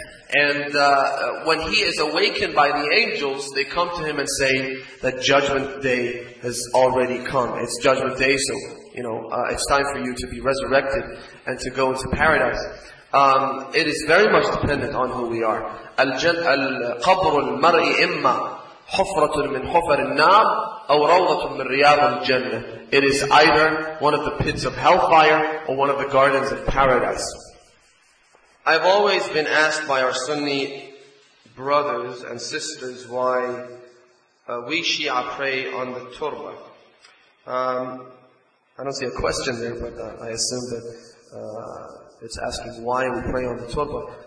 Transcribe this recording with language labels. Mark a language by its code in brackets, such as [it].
[en] And when he is awakened by the angels, they come to him and say that judgment day has already come. It's judgment day, so, you know, it's time for you to be resurrected and to go into paradise. It is very much dependent on who we are. [ar] القبر المرء إما حفرة من حفر النار أو روضة من رياض الجنة. [en] It is either one of the pits of hellfire or one of the gardens of paradise. I've always been asked by our Sunni brothers and sisters why we Shia pray on the turba. I don't see a question there, but I assume that it's asking why we pray on the turba.